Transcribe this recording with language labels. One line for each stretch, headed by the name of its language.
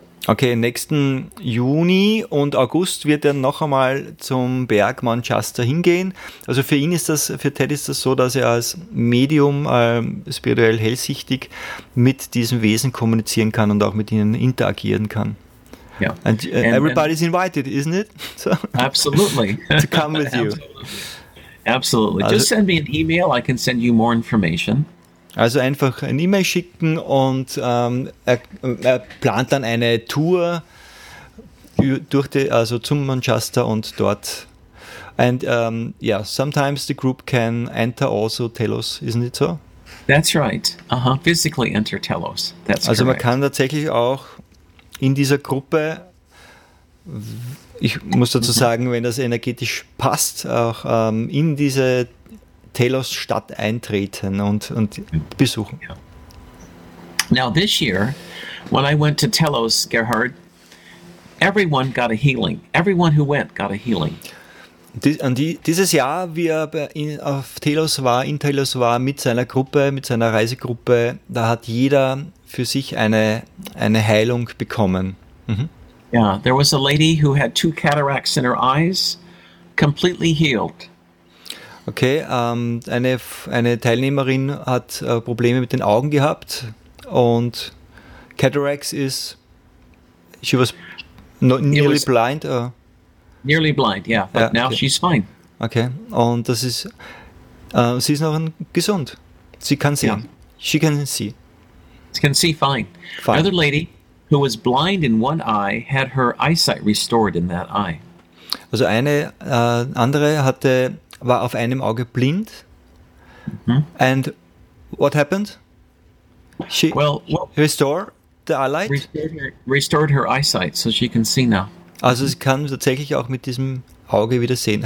German: Okay, nächsten Juni und August wird er noch einmal zum Berg Manchester hingehen. Also für ihn ist das, für Ted ist das so, dass er als Medium spirituell hellsichtig mit diesem Wesen kommunizieren kann und auch mit ihnen interagieren kann.
English: Yeah. And everybody's invited, isn't it? So, absolutely. To come with you. Absolutely. Also, just send me an email, I can send you more information.
German: Also einfach ein E-Mail schicken und er plant dann eine Tour zum Manchester und dort.
English: And sometimes the group can enter also Telos, isn't it so? That's right. Uh-huh. Physically enter Telos. That's
German: also
English: correct.
German: Man kann tatsächlich auch in dieser Gruppe, ich muss dazu sagen, wenn das energetisch passt, auch in diese Telos Stadt eintreten und besuchen.
English: Now this year, when I went to Telos, Gerhard, everyone got a healing. Everyone who went got a healing.
German: Dieses Jahr, wie er in Telos war mit seiner Gruppe, mit seiner Reisegruppe, da hat jeder für sich eine Heilung bekommen. Mhm.
English: Yeah, there was a lady who had two cataracts in her eyes, completely healed.
German: Okay, eine Teilnehmerin hat Probleme mit den Augen gehabt und Cataracts ist,
English: she was nearly blind. Nearly blind, yeah, but now okay. She's fine.
German: Okay, und das ist, sie ist noch gesund. Sie kann sehen.
English: Yeah. She can see. She can see fine. Fine. Another lady who was blind in one eye had her eyesight restored in that eye.
German: Also eine andere war auf einem Auge blind.
English: Mm-hmm. And what happened? She restored the eyelight? Restored her eyesight, so she can see now.
German: Also mm-hmm. Sie kann tatsächlich auch mit diesem Auge wieder sehen.